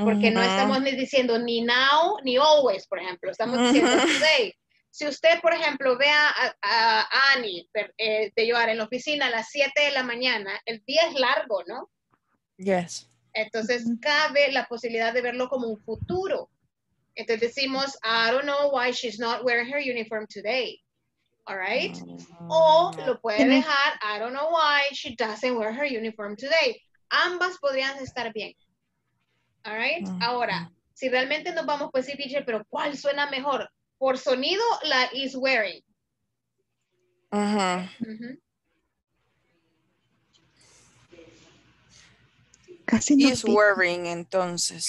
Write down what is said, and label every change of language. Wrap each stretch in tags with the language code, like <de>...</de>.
<es>Porque no estamos ni diciendo ni now ni always, por ejemplo. Estamos diciendo today. Si usted, por ejemplo, ve a Annie de llevar en la oficina a las 7 de la mañana, el día es largo, ¿no?</es> <en>Yes.</en> <es>Entonces, cabe la posibilidad de verlo como un futuro. Entonces decimos,</es> <en>I don't know why she's not wearing her uniform today. All right?</en> <es>O lo puede dejar,</es> <en>I don't know why she doesn't wear her uniform today.</en> <es>Ambas podrían estar bien.</es> <en>All right?</en> <es>Mm-hmm. Ahora, si realmente nos vamos, pues sí, teacher, pero ¿cuál suena mejor? Por sonido, la</es> <en>is wearing. Ajá.</en> <es>Casi no.</es> <en>Is wearing,</en> <es>entonces.</es>